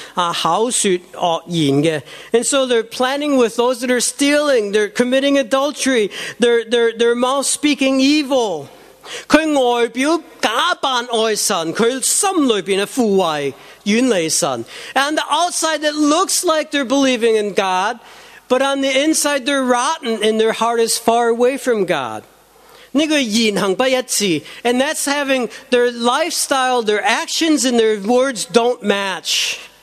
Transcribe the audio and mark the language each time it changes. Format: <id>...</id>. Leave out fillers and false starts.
<zh>他是和偷盗的人一起同谋行奸淫，口说恶言的。</zh> <en>And so they're planning with those that are stealing, they're committing adultery, they're mouth speaking evil.</en> <zh>他外表假扮爱神，他心里边是父爱，远离神。</zh> <en>And the outside, it looks like they're believing in God, but on the inside, they're rotten, and their heart is far away from God.</en> <zh>那个言行不一致,</zh> <en>and that's having their lifestyle, their actions, and their words don't match.</en>